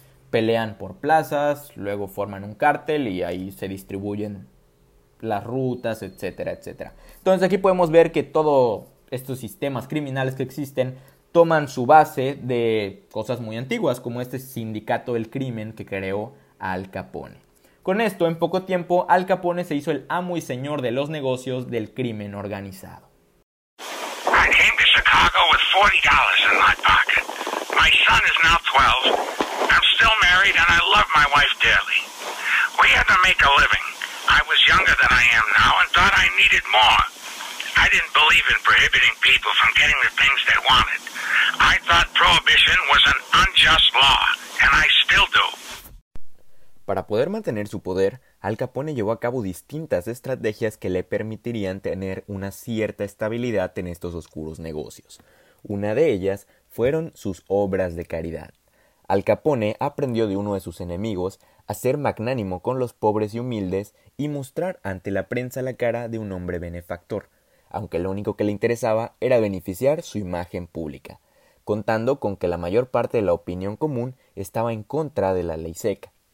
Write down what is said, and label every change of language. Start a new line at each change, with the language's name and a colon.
Spanish: Pelean por plazas, luego forman un cártel y ahí se distribuyen las rutas, etcétera, etcétera. Entonces aquí podemos ver que todo, estos sistemas criminales que existen toman su base de cosas muy antiguas, como este sindicato del crimen que creó Al Capone. Con esto, en poco tiempo, Al Capone se hizo el amo y señor de los negocios del crimen organizado.
English: I came to Chicago with $40 in my pocket. My son is now 12. I'm still married and I love my wife dearly. We had to make a living. I was younger than I am now and thought I needed more. I didn't believe in prohibiting people from getting the things they wanted. I thought prohibition was an unjust law, and I still do.
Spanish: Para poder mantener su poder, Al Capone llevó a cabo distintas estrategias que le permitirían tener una cierta estabilidad en estos oscuros negocios. Una de ellas fueron sus obras de caridad. Al Capone aprendió de uno de sus enemigos a ser magnánimo con los pobres y humildes y mostrar ante la prensa la cara de un hombre benefactor, aunque lo único que le interesaba era beneficiar su imagen pública, contando con que la mayor parte de la opinión común estaba en contra de la ley seca.